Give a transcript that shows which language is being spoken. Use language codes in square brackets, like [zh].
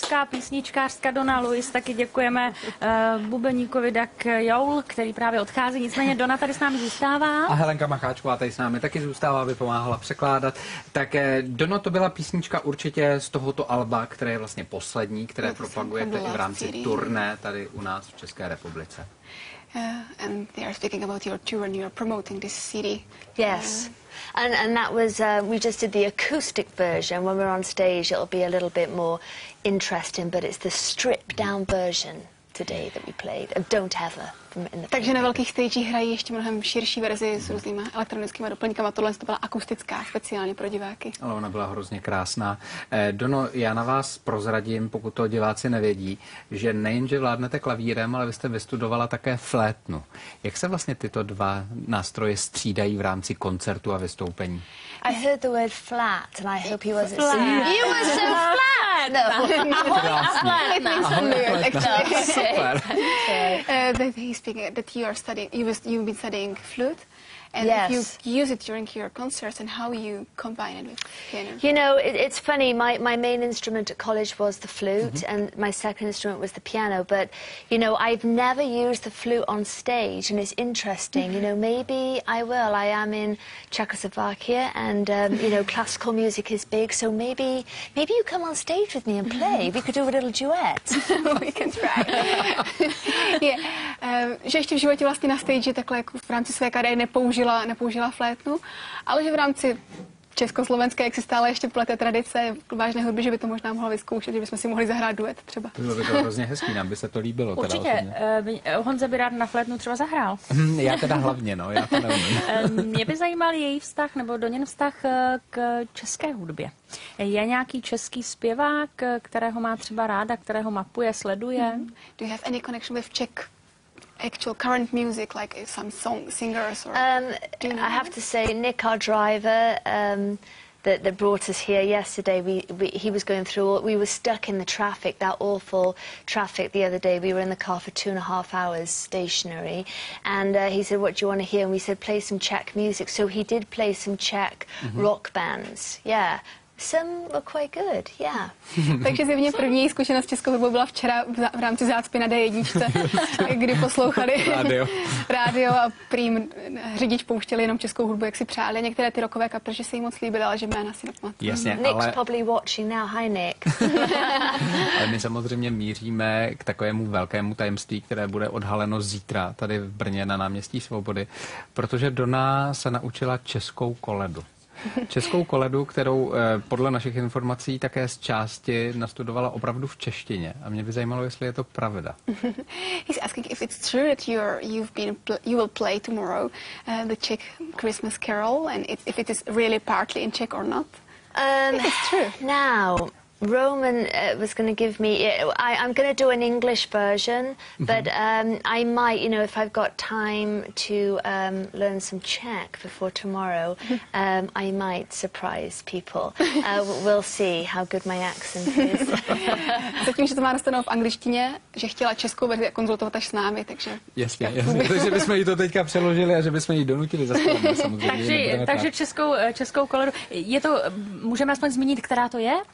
[cs] Písničkářka Donna Lewis, taky děkujeme bubeníkovi Doug Yowl, který právě odchází. Nicméně Donna tady s námi zůstává. A Helenka Macháčková tady s námi taky zůstává, aby pomáhala překládat. Tak Donna, to byla písnička určitě z tohoto alba, které je vlastně poslední, které propagujete i v rámci turné tady u nás v České republice. [en] And they are speaking about your tour and you are promoting this CD. Yes. And that was, we just did the acoustic version. When we're on stage, it'll be a little bit more interesting, but it's the stripped down version today that we played of Don't Ever. [cs] Takže na velkých stagech hrají ještě mnohem širší verzi s různýma elektronickými doplňkama. Tohle to byla akustická, speciálně pro diváky. Ale ona byla hrozně krásná. Donno, já na vás prozradím, pokud to diváci nevědí, že nejenže vládnete klavírem, ale vy jste vystudovala také flétnu. Jak se vlastně tyto dva nástroje střídají v rámci koncertu a vystoupení? [en] I heard the word flat and I hope he wasn't flat. You were so flat! He's speaking that you are studying. You've been studying flute, and yes. if you use it during your concerts and how you combine it with piano. You know, it's funny, my main instrument at college was the flute mm-hmm. and my second instrument was the piano, but you know, I've never used the flute on stage, and it's interesting. You know, maybe I will. I am in Czechoslovakia, and you know, classical music is big, so maybe you come on stage with me and play. We could do a little duet. We can try. Yeah. [cs] Že ještě v životě vlastně na stage takhle jako v rámci své kariéry nepoužila flétnu, ale že v rámci československé, jak si stále ještě plete tradice vážné hudby, že by to možná mohla vyzkoušet, že bychom si mohli zahrát duet třeba. To bylo by to hrozně hezký, nám by se to líbilo. Určitě, teda Honza by rád na flétnu třeba zahrál. Já teda hlavně, no, já to nevím. Mě by zajímal její vztah nebo do něj vztah k české hudbě. Je nějaký český zpěvák, kterého má třeba ráda, kterého mapuje, sleduje? [en] Do you have any connection with Czech? Actual current music, like some song singers or do you know? I have to say Nick, our driver that brought us here yesterday, he was going through, we were stuck in the traffic, that awful traffic the other day. We were in the car for 2.5 hours stationary, and he said, what do you want to hear? And we said, play some Czech music. So he did play some Czech mm-hmm. rock bands. Yeah. Some were quite good, yeah. [cs] Takže zjevně první zkušenost s českou hudbou byla včera v rámci zácpy na D1, kdy poslouchali rádio a prým řidič pouštěli jenom českou hudbu, jak si přáli. Některé ty rockové kapely, že se jim moc líbily, ale že jména si nepamatuju. Jasně, [en] Nick's probably watching now. Hi, Nick. [cs] Ale my samozřejmě míříme k takovému velkému tajemství, které bude odhaleno zítra tady v Brně na náměstí Svobody, protože Dona se naučila českou koledu. Českou koledu, kterou podle našich informací také z části nastudovala opravdu v češtině. A mě by zajímalo, jestli je to pravda. [en] He's asking if it's true that you will play tomorrow the Czech Christmas carol and if it is really partly in Czech or not. It's true. Now Roman was going to give me. I'm going to do an English version, but I might, you know, if I've got time to learn some Czech before tomorrow, I might surprise people. We'll see how good my accent is. [cs] Zatím, že to má nastanou v angličtině, že chtěla českou verzi konzultovat až s námi, takže. Jasně. Takže bychom jí to teďka přeložili a že bychom jí donutili zase. Takže českou koledu. Je to, můžeme aspoň zmínit, která to je?